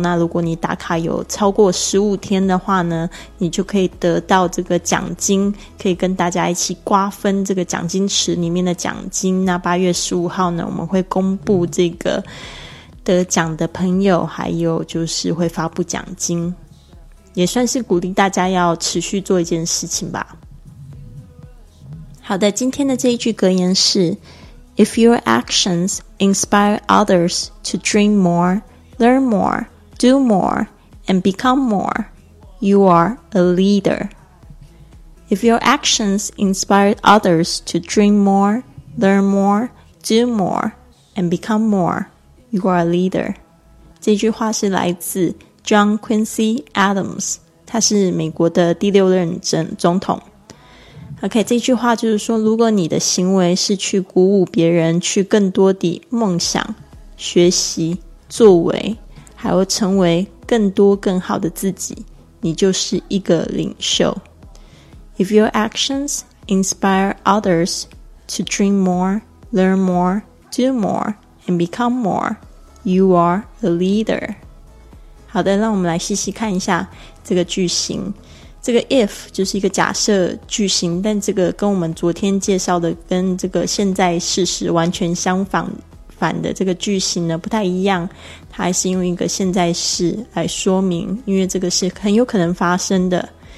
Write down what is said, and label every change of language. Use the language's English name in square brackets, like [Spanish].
[Chinese] 那如果你打卡有超过15天的话呢，你就可以得到这个奖金，可以跟大家一起瓜分这个奖金池里面的奖金。那8月15号呢，我们会公布这个得奖的朋友，还有就是会发布奖金，也算是鼓励大家要持续做一件事情吧。好的，今天的这一句格言是 [English] If your actions inspire others to dream more, learn more, do more, and become more, you are a leader. If your actions inspire others to dream more, learn more, do more, and become more, you are a leader. [Chinese] 这句话是来自John Quincy Adams， 他是美国的第六任总统。 OK， 这句话就是说，如果你的行为是去鼓舞别人去更多的梦想、学习、作为，还有成为更多更好的自己，你就是一个领袖。 [English] If your actions inspire others to dream more, learn more, do more, and become more, you are a leader。 [Chinese] 好的，让我们来细细看一下这个句型。这个 if 就是一个假设句型，但这个跟我们昨天介绍的跟这个现在事实完全相反的这个句型呢不太一样，它还是用一个现在式来说明，因为这个是很有可能发生的。